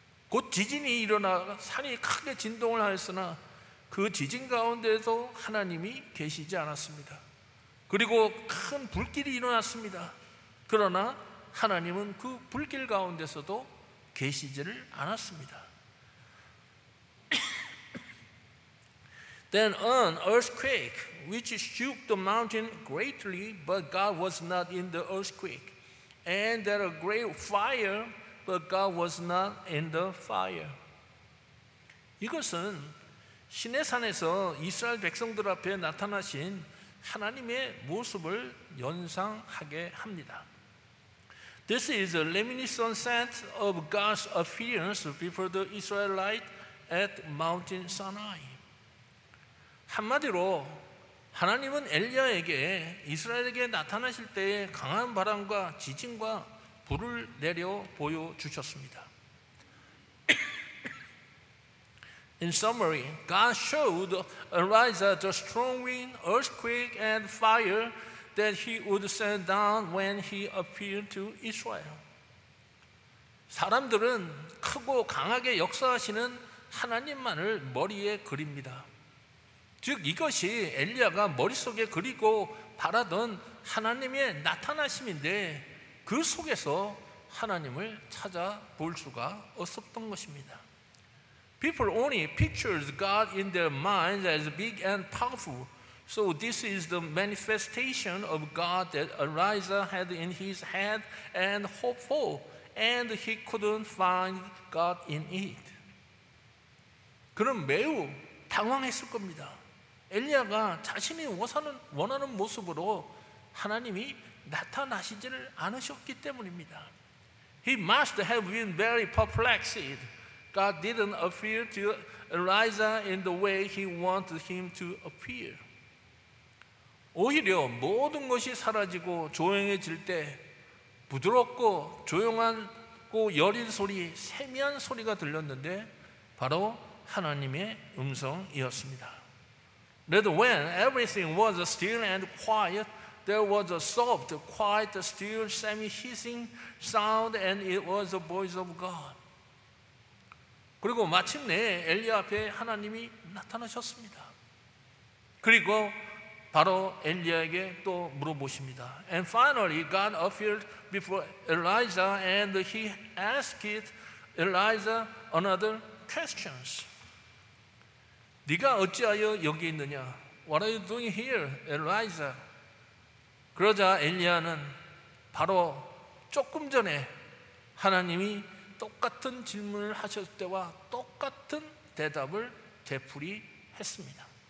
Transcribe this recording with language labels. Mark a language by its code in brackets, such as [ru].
[ko] 곧 지진이 일어나 산이 크게 진동을 하였으나 그 지진 가운데도 하나님이 계시지 않았습니다. 그리고 큰 불길이 일어났습니다. 그러나 하나님은 그 불길 가운데서도 계시지를 않았습니다. [en] Then an earthquake which shook the mountain greatly, but God was not in the earthquake. And there a great fire, but God was not in the fire. [ko] 이것은 시내산에서 이스라엘 백성들 앞에 나타나신 하나님의 모습을 연상하게 합니다. [en] This is a reminiscent sense of God's appearance before the Israelites at Mount Sinai. [ko] 한마디로 하나님은 엘리야에게 이스라엘에게 나타나실 때에 강한 바람과 지진과 불을 내려 보여주셨습니다. [en] In summary, God showed Elijah the strong wind, earthquake, and fire that he would send down when he appeared to Israel. [ko] 사람들은 크고 강하게 역사하시는 하나님만을 머리에 그립니다. 즉 이것이 엘리야가 머릿속에 그리고 바라던 하나님의 나타나심인데 그 속에서 하나님을 찾아볼 수가 없었던 것입니다. [en] People only pictures God in their minds as big and powerful. So this is the manifestation of God that Elijah had in his head and hope for, and he couldn't find God in it. [ko] 그는 매우 당황했을 겁니다. 엘리야가 자신이 원하는 모습으로 하나님이 나타나시지를 않으셨기 때문입니다. [en] He must have been very perplexed. God didn't appear to Elijah in the way he wanted him to appear. [ko] 오히려 모든 것이 사라지고 조용해질 때 부드럽고 조용하고 여린 소리, 세미한 소리가 들렸는데 바로 하나님의 음성이었습니다. [en] That when everything was still and quiet, there was a soft, quiet, still, semi-hissing sound, and it was the voice of God. [ko] 그리고 마침내 엘리야 앞에 하나님이 나타나셨습니다. 그리고 바로 엘리야에게 또 물어보십니다. [en] And finally, God appeared before Elijah, and he asked Elijah another question. [ko] 네가 어찌하여 여기 있느냐? [en] What are you doing here, Elijah? [ko] 그러자 엘리야는 바로 조금 전에 하나님이 똑같은 질문을 하셨을 때와 똑같은 대답을 되풀이했습니다.